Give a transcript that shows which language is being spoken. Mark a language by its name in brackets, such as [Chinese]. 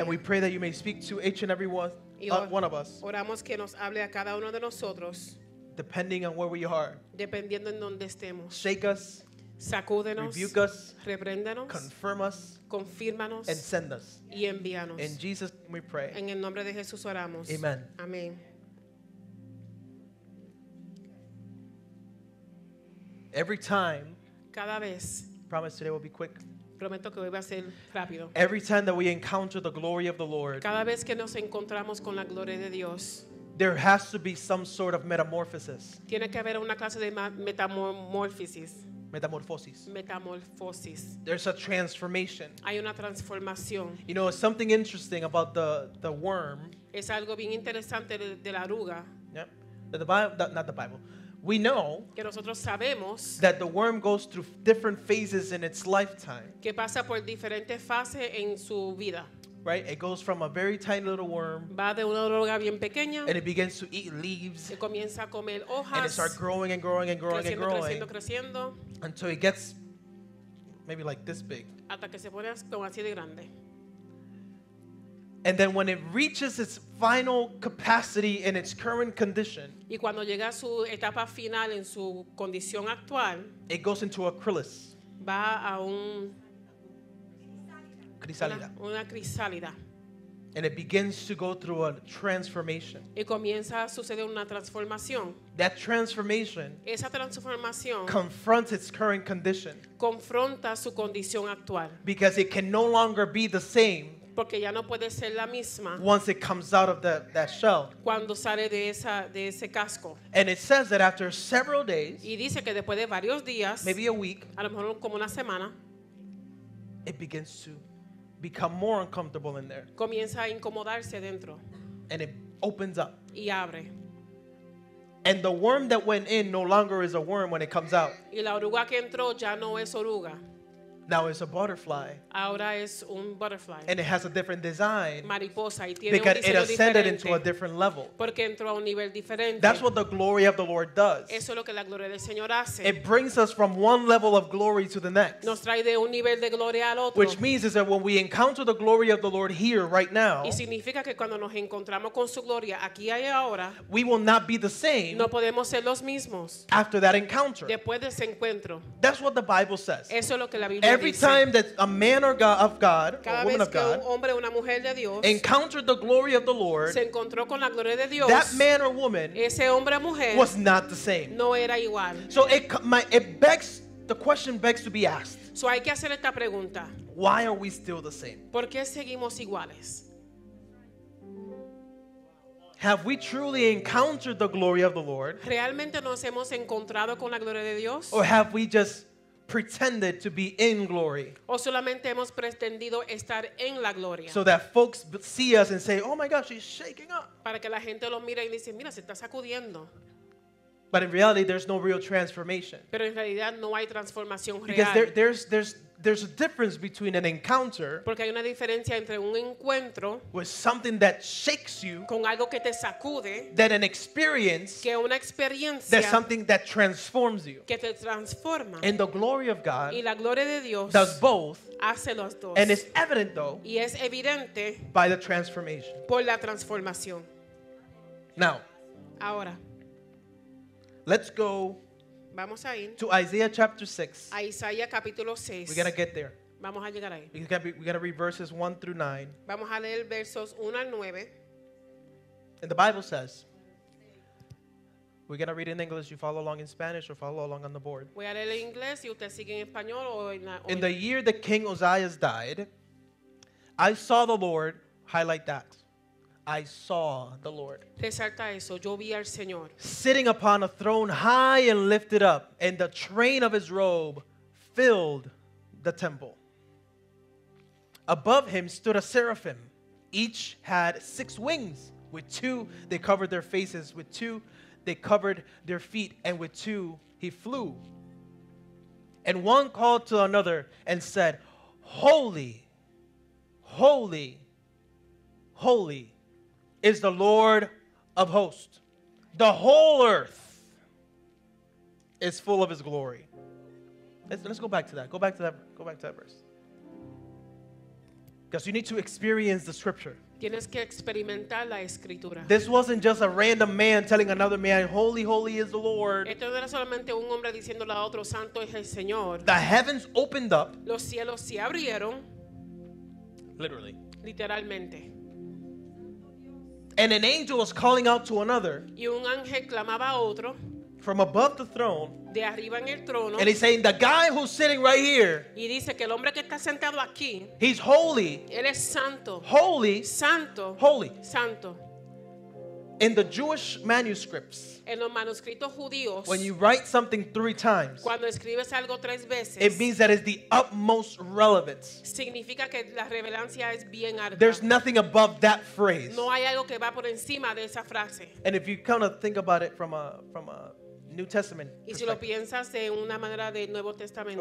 [English] And we pray that you may speak to each and every one, one of us. [Spanish] Oramos que nos hable a cada uno de nosotros. [English] Depending on where we are. [Spanish] Dependiendo en donde estemos. [English] Shake us. [Spanish] Sacúdenos. [English] Rebuke us. [Spanish] Repréndenos. [English] Confirm us. [Spanish] Confírmanos. [English] And send us. [Spanish] Y envíanos. [English] In Jesus we pray. [Spanish] En el nombre de Jesús oramos. [English] Amen. [Spanish] Amén. [English] Every time. [Spanish] Cada vez. [English] Promise today will be quick. [Spanish] Prometo que voy a ser rápido. [English] Every time that we encounter the glory of the Lord. [Spanish] Cada vez que nos encontramos con la gloria de Dios. [English] There has to be some sort of metamorphosis. [Spanish] Tiene que haber una clase de metamorfosis. [English] Metamorphosis. There's a transformation. [Spanish] Hay una transformación. [English] You know, something interesting about the worm. [Spanish] Es algo bien interesante de la aruga. [English] Yeah. The Bible, not the Bible. We know [Spanish] que nosotros sabemos [English] that the worm goes through different phases in its lifetime. [Spanish] Que pasa por diferentes fases en su vida. [English] Right, it goes from a very tiny little worm, [Spanish] va de una oruga bien pequeña, [English] and it begins to eat leaves, [Spanish] y comienza a comer hojas, [English] and it starts growing and growing and growing, [Spanish] creciendo, [English] and growing, [Spanish] creciendo, creciendo, [English] until it gets maybe like this big, [Spanish] hasta que se pone como así de grande. [English] And then when it reaches its final capacity in its current condition, [Spanish] y cuando llega a su etapa final en su condición actual, [English] it goes into a chrysalis. [Spanish] Va a un crisálida. Una crisálida. [English] And it begins to go through a transformation. [Spanish] Y comienza a suceder una transformación. [English] That transformation, [Spanish] esa transformación, [English] confronts its current condition. [Spanish] Confronta su condición actual. [English] Because it can no longer be the same. [Spanish] Porque ya no puede ser la misma. [English] Once it comes out of that shell. [Spanish] Cuando sale de esa, de ese casco. [English] And it says that after several days. [Spanish] Y dice que después de varios días, [English] maybe a week. [Spanish] A lo mejor como una semana. [English] It begins to become more uncomfortable in there. [Spanish] Comienza a incomodarse dentro. [English] And it opens up. [Spanish] Y abre. [English] And the worm that went in no longer is a worm when it comes out. [Spanish] Y la oruga que entró ya no es oruga. [English] Now it's a butterfly. [Spanish] Ahora es un butterfly. [English] And it has a different design. [Spanish] Mariposa, y tiene [English] because [Spanish] un diseño [English] it ascended [Spanish] diferente. [English] Into a different level. [Spanish] Porque entró a un nivel diferente. [English] That's what the glory of the Lord does. [Spanish] Eso es lo que la gloria del Señor hace. [English] It brings us from one level of glory to the next. [Spanish] Nos trae de un nivel de gloria al otro. [English] Which means is that when we encounter the glory of the Lord here right now, [Spanish] y significa que cuando nos encontramos con su gloria aquí y ahora, [English] we will not be the same. [Spanish] No podemos ser los mismos. [English] After that encounter. [Spanish] Después de ese encuentro. [English] That's what the Bible says. [Spanish] Eso es lo que la Biblia dice. [English] Every time that a man or God of God, a woman of God, encountered the glory of the Lord, [Spanish] se encontró con la gloria de Dios, [English] that man or woman, [Spanish] ese hombre o mujer, [English] was not the same. [Spanish] No era igual. [English] So the question begs to be asked. [Spanish] So hay que hacer esta pregunta. [English] Why are we still the same? [Spanish] ¿Por qué seguimos iguales? [English] Have we truly encountered the glory of the Lord? [Spanish] ¿Realmente nos hemos encontrado con la gloria de Dios? [English] Or have we just pretended to be in glory? [Spanish] O solamente hemos pretendido estar en la gloria. [English] So that folks see us and say, "Oh my gosh, she's shaking up." [Spanish] Para que la gente lo mire y dice, "Mira, se está sacudiendo." [English] But in reality, there's no real transformation. [Spanish] Pero en realidad no hay transformación real. [English] Because there's a difference between an encounter, [Spanish] porque hay una diferencia entre un encuentro, [English] with something that shakes you, [Spanish] con algo que te sacude, [English] than an experience, [Spanish] que una experiencia, [English] that's something that transforms you, [Spanish] que te transforma. [English] And the glory of God, [Spanish] y la gloria de Dios, [English] does both, [Spanish] hace los dos. [English] And it's evident though, [Spanish] y es evidente, [English] by the transformation, [Spanish] por la transformación. [English] Now, [Spanish] ahora, [English] let's go. [Spanish] Vamos a ir [English] to Isaiah chapter 6. [Spanish] A Isaías capítulo 6. [English] We gotta get there. [Spanish] Vamos a llegar ahí. [English] We gotta read verses 1 through 9. [Spanish] Vamos a leer versos 1 al 9. [English] And the Bible says, we're gonna read in English. You follow along in Spanish or follow along on the board. [Spanish] Voy a leer en inglés y usted sigue en español o en la. [English] In the year that King Uzziah died, I saw the Lord. Highlight that. I saw the Lord. [Spanish] Resalta eso, yo vi al Señor. [English] Sitting upon a throne high and lifted up, and the train of his robe filled the temple. Above him stood a seraphim. Each had six wings. With two they covered their faces, with two they covered their feet, and with two he flew. And one called to another and said, "Holy, holy, holy is the Lord of hosts. The whole earth is full of his glory." Let's go back to that. Go back to that verse. Because you need to experience the scripture. [Spanish] Tienes que experimentar la escritura. [English] This wasn't just a random man telling another man, "Holy, holy is the Lord." [Spanish] Esto no era solamente un hombre diciéndole a otro, "Santo es el Señor." [English] The heavens opened up. [Spanish] Los cielos se abrieron. [English] Literally. [Spanish] Literalmente. [English] And an angel was calling out to another, [Spanish] y un ángel clamaba a otro, [English] from above the throne, [Spanish] de arriba en el trono, [English] and he's saying, "The guy who's sitting right here, [Spanish] y dice que el hombre que está sentado aquí, [English] he's holy, [Spanish] él es santo, [English] holy, [Spanish] santo, [English] holy, [Spanish] santo." [English] In the Jewish manuscripts, [Spanish] en los manuscritos judíos, [English] when you write something three times, [Spanish] cuando escribes algo tres veces, [English] it means that it's the utmost relevance. [Spanish] Significa que la relevancia es bien alta. [English] There's nothing above that phrase. [Spanish] No hay algo que va por encima de esa frase. [English] And if you kind of think about it from a New Testament, [Spanish] y si lo piensas de una manera de Nuevo Testamento,